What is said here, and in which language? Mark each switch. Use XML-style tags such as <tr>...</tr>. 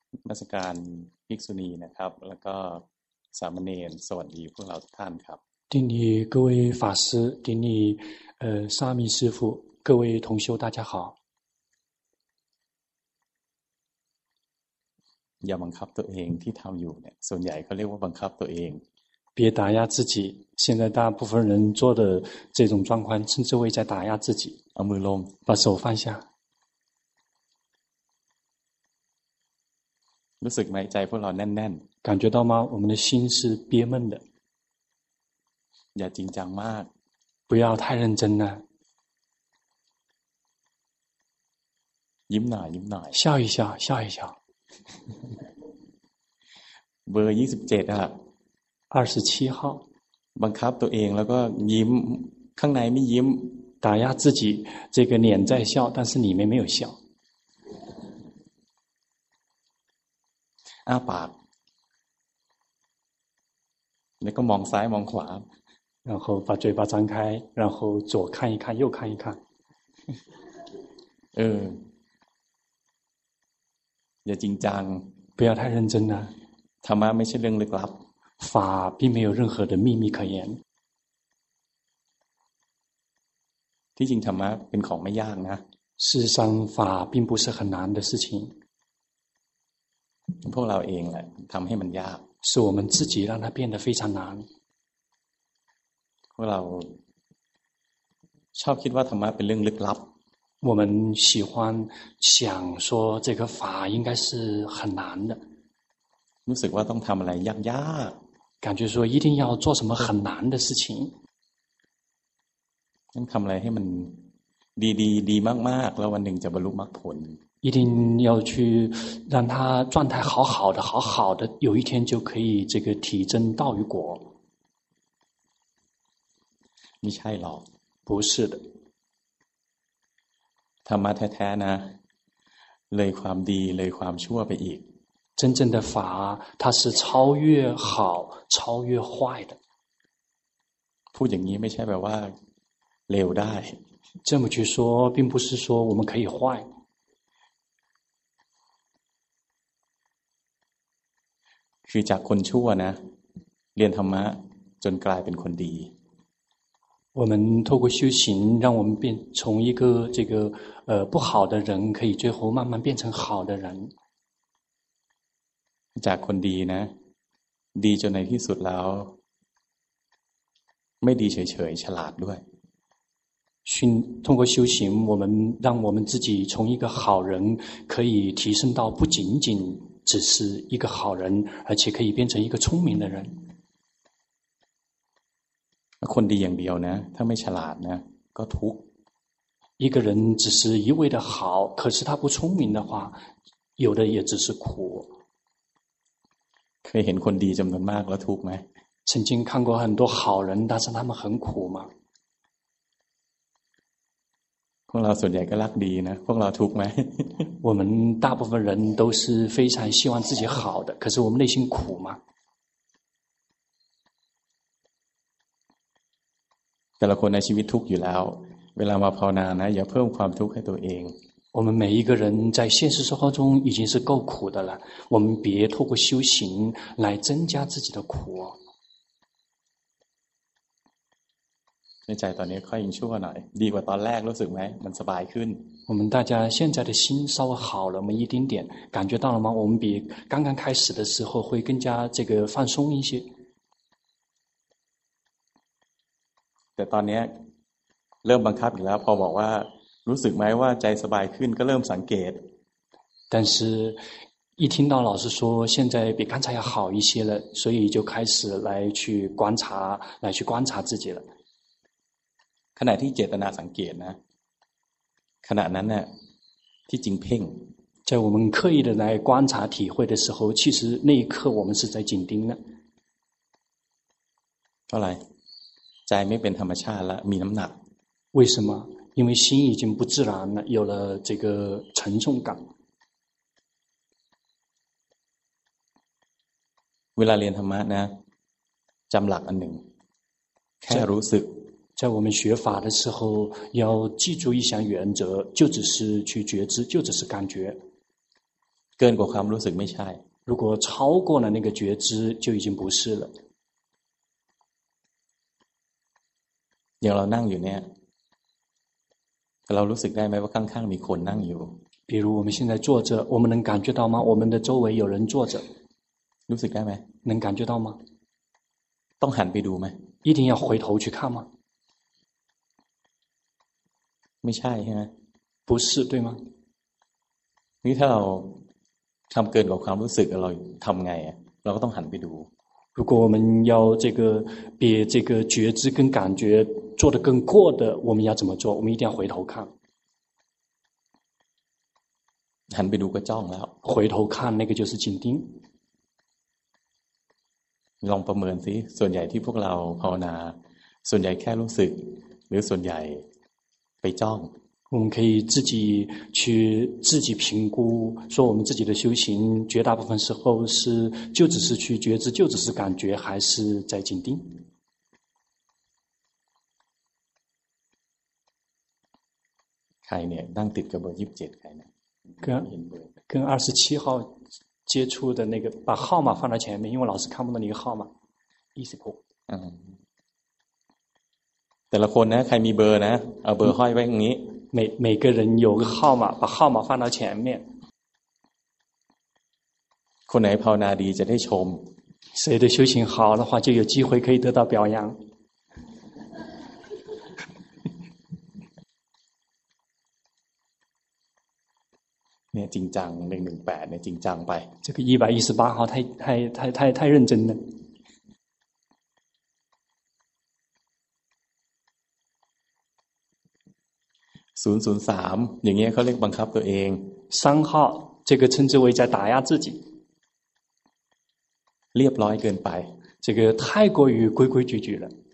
<th>ราชการภิกษุณีนะครับแล้วก็สามเณรสวัสดีพวกเราทุกท่านครับ</th> <zh>顶礼各位法师，顶礼沙弥师父，各位同修大家好。</zh> <th>อย่าบังคับตัวเองที่ทำอยู่เนี่ยส่วนใหญ่เขาเรียกว่าบังคับตัวเอง</th> <zh>别打压自己，现在大部分人做的这种状况称之为在打压自己。</zh> <th>เอามือลง</th> <zh>把手放下。</zh> <th>รู้สึกไหมใจพวกเราแน่น</th> <zh>ๆ感觉到吗？我们的心是憋闷的。</zh> <th>อย่าจริงจังมาก</th> <zh>不要太认真呢。</zh> <th>ยิ้มหน่อยยิ้มหน่อย</th> <zh>笑一笑笑一笑。</zh> <th>เบอร์27อ่ะ</th> <zh>27号</zh> <th>บังคับตัวเองแล้วก็ยิ้มข้างในไม่ยิ้ม</th> <zh>打压自己这个脸在笑但是里面没有笑</zh> <th>อ้าปากแล้วก็มองซ้ายมองขวา</th> <zh>然后把嘴巴张开然后左看一看右看一看</zh> <th>เอออย่าจริงจัง</th> <zh>不要太认真</zh> <th>นะ ธรรมะไม่ใช่เรื่องลึกลับ</th> <zh>法并没有任何的秘密可言</zh> <th>ที่จริงธรรมะเป็นของไม่ยากนะ</th> <zh>事实上法并不是很难的事情</zh> <th>พวกเราเองแหละทำให้มันยาก</th> <zh>是我们自己让它变得非常难</zh> <th>พวกเราชอบคิดว่าธรรมะเป็นเรื่องลึกลับ</th> <zh>我们喜欢想说这个法应该是很难的</zh> <th>รู้สึกว่าต้องทำอะไรยาก</th> <zh>ๆ感觉说一定要做什么很难的事情</zh> <th>ต้องทำอะไรให้มันดีๆดีมากๆแล้ววันหนึ่งจะบรรลุมรรคผล</th> <zh>一定要去让他状态好好的好好的有一天就可以这个体证道与果</zh> <th>ไม่ใช่หรอก</th> <zh>不是的</zh> <th>ธรรมะแท้ๆนะเลยความดีเลยความชั่วไปอีก</th> <zh>真正的法它是超越好超越坏的</zh> <th>พูดอย่างนี้ไม่ใช่แปลว่าเลวได้</th> <zh>这么去说并不是说我们可以坏</zh> <th>คือจากคนชั่วนะเรียนธรรมะจนกลายเป็นคนดี</th> <zh>我们透过修行让我们变从一个这个不好的人可以最后慢慢变成好的人</zh> <th>จากคนดีนะดีจนในที่สุดแล้วไม่ดีเฉยๆฉลาดด้วย</th> <zh>通过修行我们让我们自己从一个好人可以提升到不仅仅只是一个好人而且可以变成一个聪明的人</zh> <th>คนดีอย่างเดียวนะถ้าไม่ฉลาดนะก็ทุกข์</th> <zh>一个人只是一味的好可是他不聪明的话有的也只是苦</zh> <th>เคยเห็นคนดีจำนวนมากแล้วทุกข์ไหม</th> <zh>曾经看过很多好人但是他们很苦吗</zh> <th>พวกเราส่วนใหญ่ก็รักดีนะพวกเราทุกข์ไหม</th> <zh>我们大部分人都是非常希望自己好的可是我们内心苦吗</zh> <th>แต่ละคนในชีวิตทุกข์อยู่แล้วเวลามาภาวนานะอย่าเพิ่มความทุกข์ให้ตัวเอง</th> <zh>我们每一个人在现实生活中已经是够苦的了我们别透过修行来增加自己的苦</zh> <th>ในใจตอนนี้ค่อยยิ่งชั่วหน่อยดีกว่าตอนแรกรู้สึกไหมมันสบายขึ้น</th> <zh>我们大家现在的心稍微好了没一丁点感觉到了吗我们比刚刚开始的时候会更加这个放松一些</zh> <th>แต่ตอนนี้เริ่มบังคับอีกแล้วพอบอกว่ารู้สึกไหมว่าใจสบายขึ้นก็เริ่มสังเกต</th> <zh>但是一听到老师说现在比刚才要好一些了所以就开始来去观察来去观察自己了</zh> <th>ขณะที่เจตนาสังเกตนะขณะนั้นเนี่ยที่จริงเพ่ง</th> <zh>在我们刻意的来观察体会的时候其实那一刻我们是在紧盯的</zh> <th>เท่าไหร่ใจไม่เป็นธรรมชาติแล้วมีน้ำหนัก</th> <zh>为什么因为心已经不自然了有了这个沉重感</zh> <th>เวลาเรียนธรรมะนะจำหลักอันหนึ่งแค่รู้สึก</th> <zh>在我们学法的时候要记住一项原则就只是去觉知就只是感觉</zh> <th>กินกว่าความรู้สึกไม่ใช่</th> <zh>如果超过了那个觉知就已经不是了</zh> <th>อย่างเรานั่งอยู่เนี่ยเรารู้สึกได้ไหมว่าข้างๆมีคนนั่งอยู่</th> <zh>比如我们现在坐着我们能感觉到吗我们的周围有人坐着</zh> <th>รู้สึกได้ไหม</th> <zh>能感觉到吗</zh> <th>ต้องหันไปดูไหม</th> <zh>一定要回头去看吗</zh> <th>ไม่ใช่ใช่ไหม</th> <zh>不是对吗</zh> <th>นี่ถ้าเราทำเกินกว่าความรู้สึกเราทำไงเราก็ต้องหันไปดู</th> <zh>如果我们要这个比这个觉知跟感觉做得更过的我们要怎么做我们一定要回头看</zh> <th>หันไปดูก็จ้องแล้ว</th> <zh>回头看那个就是紧盯</zh> <th>ลองประเมินสิส่วนใหญ่ที่พวกเราภาวนาส่วนใหญ่แค่รู้สึกหรือส่วนใหญ่ไปจ้อง</th> <zh>我们可以自己去自己评估说我们自己的修行绝大部分时候是就只是去觉知就只是感觉还是在紧盯</zh> <th>ใครเนี่ยนั่งติดกับเบอร์27ใ ครเนี่ย</th> <zh>跟27号接触的那个把号码放在前面因为老师看不到你的号码26</zh> <th>แต่ละคนนะใครมีเบอร์นะเอาเบอร์ห้อยไว้อย่างนี้</th> <zh>每个人有个号码把号码放到前面</zh> <th>คนไหนภาวนาดีจะได้ชม</th> <zh>谁的修行好的话就有机会可以得到表扬</zh> <th>เนี่ยจริงจัง118เนี่ยจริงจังไป</th> <zh>这个118号太认真了</zh> <th>003อย่างเงี้ยเขาเรียกบังคับตัวเอง</th> <zh>3号这个称之为在打压自己</zh> <th>เรียบร้อยเกินไป</th> <zh>这个太过于规规矩矩了</zh>